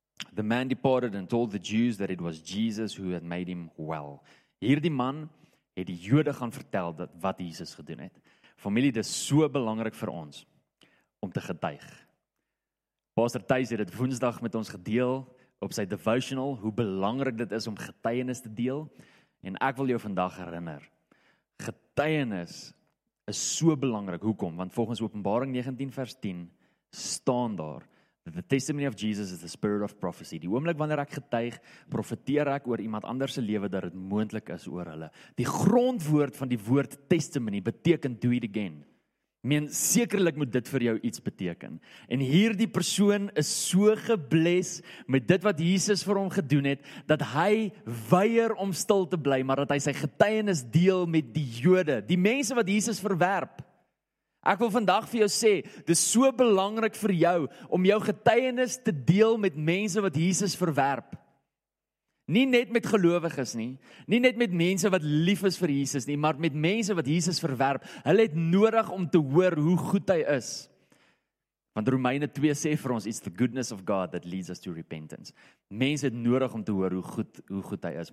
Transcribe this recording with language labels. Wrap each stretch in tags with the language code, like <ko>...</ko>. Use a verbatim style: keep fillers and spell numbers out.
<en>The man departed and told the Jews that it was Jesus who had made him well.</en> <af>Hierdie man het die Jode gaan vertel dat wat Jesus gedoen het. Familie, dit is so belangrik vir ons om te getuig. Pastor Thys het dit Woensdag met ons gedeel, op sy devotional, hoe belangrik dit is om getuienis te deel, en ek wil jou vandag herinner, getuienis is so belangrik. Hoekom? Want volgens Openbaring negentien vers tien, staan daar,</af> <en>that the testimony of Jesus is the spirit of prophecy.</en> <af>Die oomblik wanneer ek getuig, profeteer ek oor iemand anders se lewe, dat dit moontlik is oor hulle. Die grondwoord van die woord testimony, beteken</af> <en>do it again.</en> <af>Meen, sekerlik moet dit vir jou iets beteken. En hierdie persoon is so gebless met dit wat Jesus vir hom gedoen het, dat hy weier om stil te bly, maar dat hy sy getuienis deel met die Jode, die mense wat Jesus verwerp. Ek wil vandag vir jou sê, dis so belangrik vir jou, om jou getuienis te deel met mense wat Jesus verwerp. Nie net met gelowiges nie, nie net met mense wat lief is vir Jesus nie, maar met mense wat Jesus verwerp. Hulle het nodig om te hoor hoe goed hy is. Want Romeine two sê vir ons,</af> <en>it's the goodness of God that leads us to repentance.</en> <af>Mense het nodig om te hoor hoe goed, hoe goed hy is.</af>